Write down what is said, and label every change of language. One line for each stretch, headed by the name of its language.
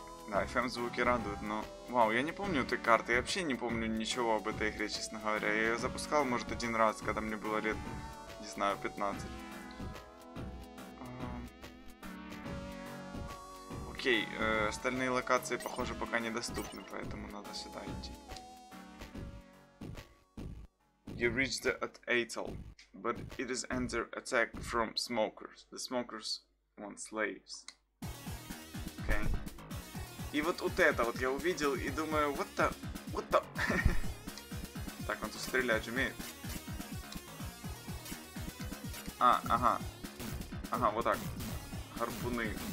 Russian: Да, FM-звуки радуют, но... Вау, я не помню этой карты, я вообще не помню ничего об этой игре, честно говоря. Я ее запускал, может, один раз, когда мне было лет, не знаю, 15. Окей, остальные локации, похоже, пока недоступны, поэтому надо сюда идти.
English: You reached the Atoll, but it is under attack from smokers. The smokers want slaves. Окей.
Russian: И вот это вот я увидел и думаю, вот то, вот то. Так, он тут стрелять умеет. А, ага. Ага, вот так. Гарпуны.